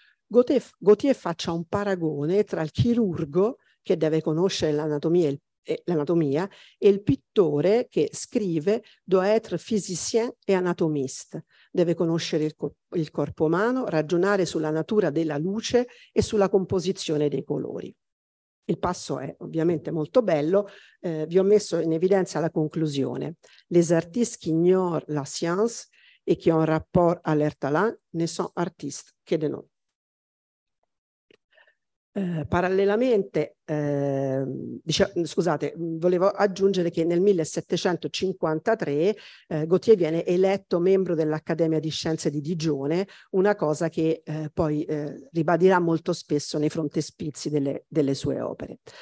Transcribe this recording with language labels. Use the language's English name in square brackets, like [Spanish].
[Italian] Gautier faccia un paragone tra il chirurgo che deve conoscere l'anatomia e il pittore che scrive [French] Doit être physicien et anatomiste, [Italian] deve conoscere il corpo umano, ragionare sulla natura della luce e sulla composizione dei colori. Il passo è ovviamente molto bello, vi ho messo in evidenza la conclusione. [French] Les artistes qui ignorent la science et qui ont rapport à leur talent ne sont artistes que de nous. [Italian] Parallelamente, scusate, volevo aggiungere che nel 1753, Gautier viene eletto membro dell'Accademia di Scienze di Digione, una cosa che poi ribadirà molto spesso nei frontespizi delle sue opere.